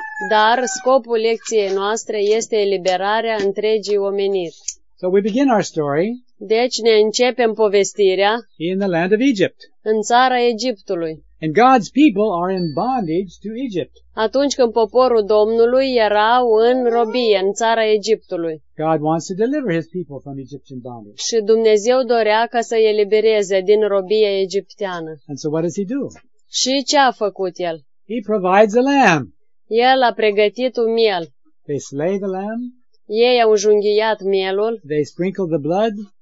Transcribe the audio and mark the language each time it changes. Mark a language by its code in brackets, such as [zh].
[ro] Dar scopul lecției noastre este eliberarea întregii omeniri. [en] So we begin our story. [ro] Deci ne începem povestirea [en] in the land of Egypt. [ro] În țara Egiptului. [en] And God's people are in bondage to Egypt. [ro] Atunci când poporul Domnului erau în robie, în țara Egiptului. [en] God wants to deliver his people from Egyptian bondage. [ro] Și Dumnezeu dorea ca să îi elibereze din robia egipteană. [en] And so what does he do? [ro] Și ce a făcut el? [en] He provides a lamb. [ro] El a pregătit un miel. [en] They slay the lamb. [ro] Ei au junghiat mielul. [en] They sprinkle the blood.